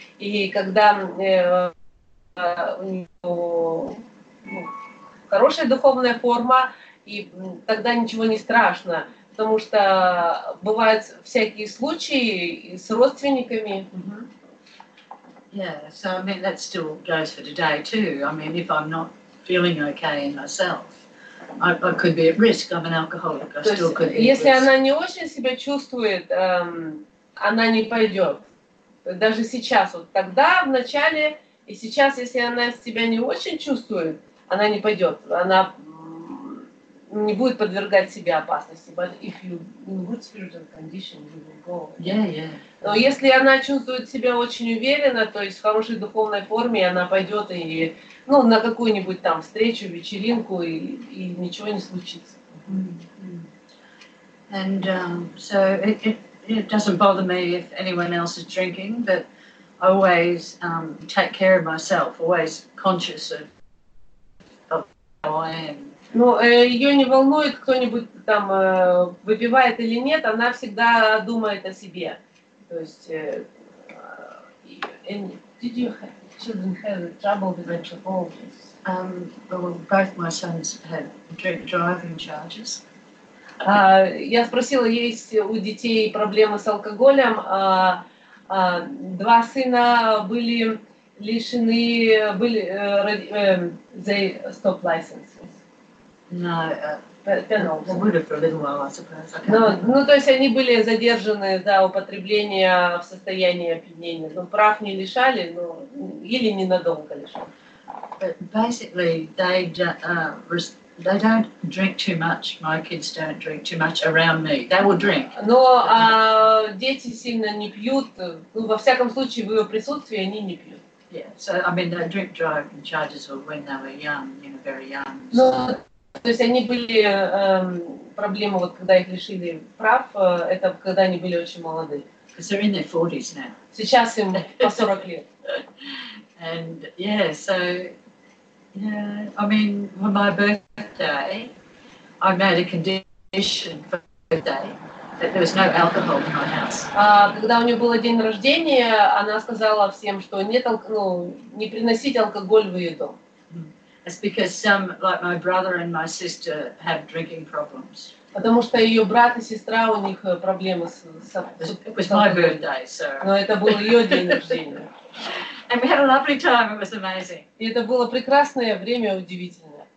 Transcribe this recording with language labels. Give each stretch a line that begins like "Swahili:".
Russian: И когда у нее хорошая духовная форма, и тогда ничего не страшно. Потому что бывают всякие случаи с родственниками.
English: Yeah, so I mean that still goes for today too. I mean, if I'm not feeling okay in myself, I could be at risk. I'm an alcoholic. I still could be at risk.
Russian: Если она не очень себя чувствует, она не пойдет. Даже сейчас, вот тогда, в начале, и сейчас, если она себя не очень чувствует, она не пойдет. Она не будет подвергать себя опасности.
English: But if you in good spiritual condition, you will go. Yeah, yeah.
Russian: Но если она чувствует себя очень уверенно, то есть в хорошей духовной форме, она пойдет и, ну, на какую-нибудь там встречу, вечеринку, и ничего не случится. Mm-hmm.
English: And so it doesn't bother me if anyone else is drinking, but I always take care of myself, always conscious of who I am.
Russian: Ну, ее не волнует, кто-нибудь там выпивает или нет, она всегда думает о себе. То есть,
English: did you have children have trouble with alcohol? Both my sons had drink driving charges.
Russian: Я спросила, есть у детей проблемы с алкоголем? Два сына были лишены, были
English: they stop license. No,
Russian: ну, то есть они были задержаны за употребление в состоянии опьянения. Ну, прав не лишали, но или ненадолго лишали.
English: But basically, they don't drink too much. My kids don't drink too much around me. They will drink.
Russian: Но дети сильно не пьют. Ну, во всяком случае, в ее присутствии они не пьют.
English: Yeah, so I mean, they drink driving charges were when they were young, you know, very young. So.
Russian: Но... То есть они были проблемы, вот когда их лишили прав, это когда они были очень молоды.
English: They're in their 40s now.
Russian: Сейчас им по 40 лет.
English: And yeah, so yeah, I mean, for my birthday, I made a condition for birthday that there was no alcohol in my house.
Russian: Когда у нее был день рождения, она сказала всем, что нет, ну, не приносить алкоголь в ее дом.
English: It's because some, like my brother and my sister, have drinking problems.
Russian: Потому что ее брат и сестра у них проблемы с.
English: It was my birthday, so.
Russian: Но это был ее день рождения.
English: And we had a lovely time. It was amazing.
Russian: И это было прекрасное время, удивительное.